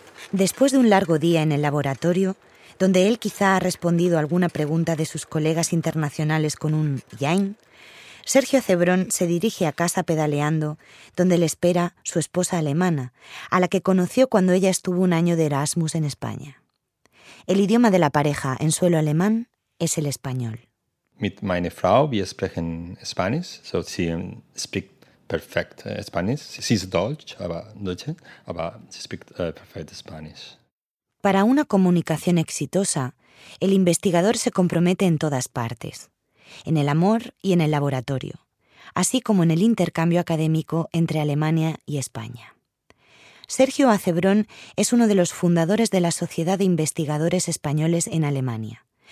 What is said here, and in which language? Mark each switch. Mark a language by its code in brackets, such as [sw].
[es] Después de un largo día en el laboratorio, donde él quizá ha respondido alguna pregunta de sus colegas internacionales con un yain, Sergio Cebrón se dirige a casa pedaleando, donde le espera su esposa alemana, a la que conoció cuando ella estuvo un año de Erasmus en España. El idioma de la pareja en suelo alemán es el español. [de] Mit meine Frau, wir sprechen Spanisch, so sie spricht perfect Spanisch. Sie ist Deutsch, aber sie spricht perfect Spanisch. [es] Para una comunicación exitosa, el investigador se compromete en todas partes, en el amor y en el laboratorio, así como en el intercambio académico entre Alemania y España. Sergio Acebrón es uno de los fundadores de la Sociedad de Investigadores Españoles en Alemania.